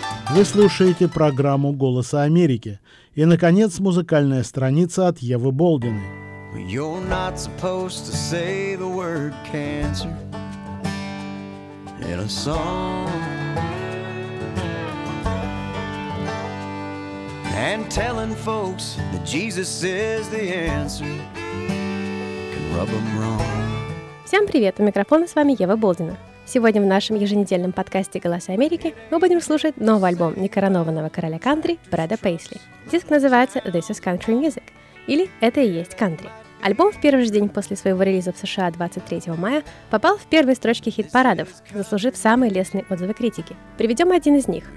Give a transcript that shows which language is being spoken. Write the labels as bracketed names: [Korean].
[Russian] Вы слушаете программу «Голоса Америки». И, наконец, музыкальная страница от Евы Болдиной. [English] Well, you're not supposed to say the word cancer in a song. And telling folks that Jesus is the answer can rub them wrong. [Russian] Всем привет! У микрофона с вами Ева Болдина. Сегодня в нашем еженедельном подкасте «Голоса Америки» мы будем слушать новый альбом некоронованного короля кантри Брэда Пейсли. Диск называется «This is Country Music» или «Это и есть кантри». Альбом в первый же день после своего релиза в США 23 мая попал в первые строчки хит-парадов, заслужив самые лестные отзывы критики. Приведем один из них.